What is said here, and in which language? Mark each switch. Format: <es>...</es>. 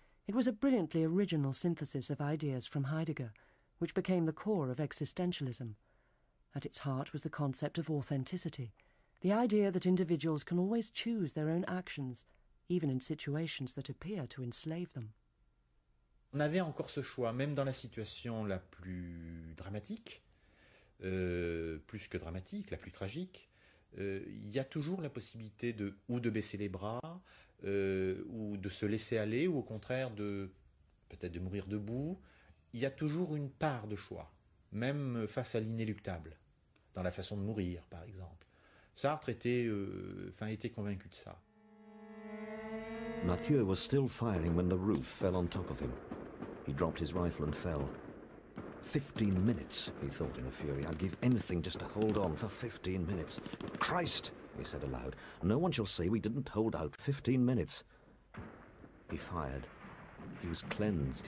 <en>It was a brilliantly original synthesis of ideas from Heidegger, which became the core of existentialism. At its heart was the concept of authenticity, the idea that individuals can always choose their own actions, even in situations that appear to enslave them.</en> <fr>On avait encore ce choix, même dans la situation la plus dramatique, plus que dramatique, la plus tragique, il y a toujours la possibilité de ou de baisser les bras, ou de se laisser aller, ou au contraire de peut-être de mourir debout. Il y a toujours une part de choix, même face à l'inéluctable, dans la façon de mourir, par exemple. Sartre était convaincu de ça.</fr> <en>Mathieu was still firing when the roof fell on top of him. He dropped his rifle and fell. 15 minutes, he thought in a fury. I'd give anything just to hold on for 15 minutes. Christ, he said aloud. No one shall say we didn't hold out 15 minutes. He fired. He was cleansed.</en>